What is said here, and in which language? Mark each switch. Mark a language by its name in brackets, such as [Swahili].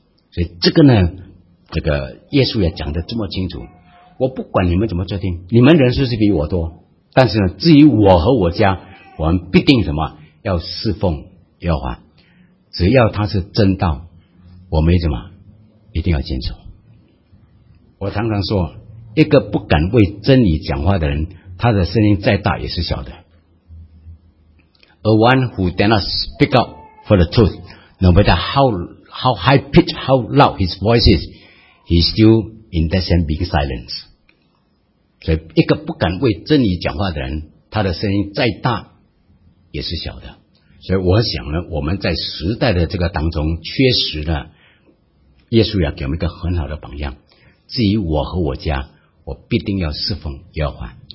[Chinese] 所以这个呢，这个耶稣也讲得这么清楚，我不管你们怎么决定，你们人数是比我多，但是呢，至于我和我家，我们必定什么要侍奉耶和华，只要他是正道，我们什么一定要坚守。我常常说，一个不敢为真理讲话的人，他的声音再大也是小的。 [English] A one who dare not speak up for the truth, no matter how high pitch, how loud his voice is, he's still in that same big silence. [Chinese] 所以一个不敢为真理讲话的人，他的声音再大也是小的。所以我想呢，我们在时代的这个当中，确实呢，耶稣要给我们一个很好的榜样。至于我和我家，我必定要侍奉耶和华。